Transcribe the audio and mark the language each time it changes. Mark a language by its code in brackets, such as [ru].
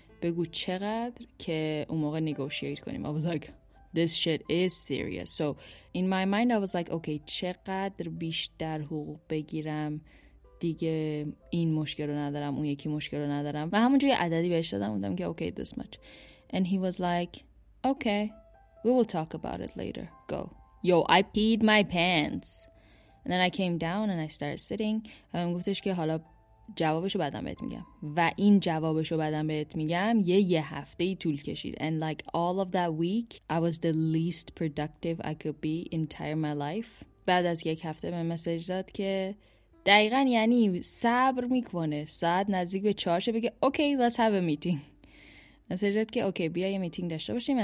[fa] بگو چقدر که اون موقع نگوشیت کنیم. [en] I was like this shit is serious. So in my mind I was like okay, [fa] چقدر بیشتر حقوق بگیرم دیگه این مشکل رو ندارم، اون یکی مشکل رو ندارم. و همونجوری عددی بهش دادم، بودم که [en] okay this much. And he was like okay, we will talk about it later. Go. Yo, I peed my pants. And then I came down and I started sitting. [fa] و من گفتش که حالا جوابشو بعدم بهت میگم. و این جوابشو بعدم بهت میگم یه هفته ای طول کشید. [en] And like all of that week, I was the least productive I could be entire my life. [fa] بعد از یک هفته به مسیج داد که دقیقا یعنی صبر میکنه. ساعت نزدیک به 4 شب بگه [en] okay, let's have a meeting. [fa] مسیج داد که okay, بیا یه میتینگ داشته باشیم.